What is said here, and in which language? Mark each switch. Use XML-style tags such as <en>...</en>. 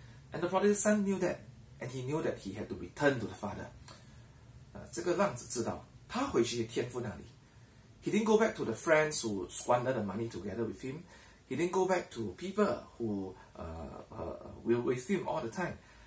<en>And the prodigal son knew that, and he knew that he had to return to the Father.</en> <zh>这个浪子知道, 他回去天父那里。</zh> <en>He didn't go back to the friends who squandered the money together with him. He didn't go back to people who were with him all the time.</en>